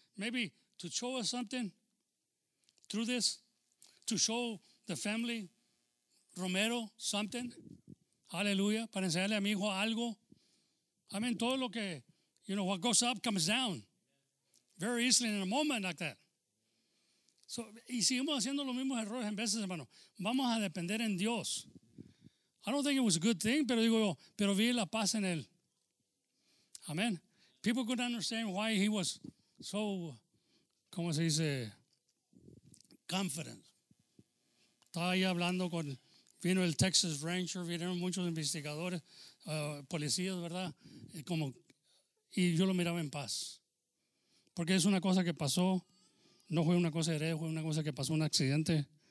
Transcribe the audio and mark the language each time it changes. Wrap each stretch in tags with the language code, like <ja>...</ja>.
<en>Maybe to show us something through this, to show the family, Romero, something. Aleluya.</en> <es>Para enseñarle a mi hijo algo. Amén. Todo lo que,</es> <en>you know, what goes up comes down. Very easily in a moment like that.</en> <es>So, y seguimos haciendo los mismos errores en veces, hermano. Vamos a depender en Dios.</es> <en>I don't think it was a good thing,</en> <es>pero digo yo, pero vi la paz en él. Amén.</es> <en>People couldn't understand why he was so,</en> <es>¿cómo se dice?</es> <en>Confident.</en> <es>Estaba ahí hablando con, vino el Texas Ranger, vinieron muchos investigadores, policías, ¿verdad? Y como, y yo lo miraba en paz. Porque es una cosa que pasó, no fue una cosa de heredia, fue una cosa que pasó, un accidente.</es>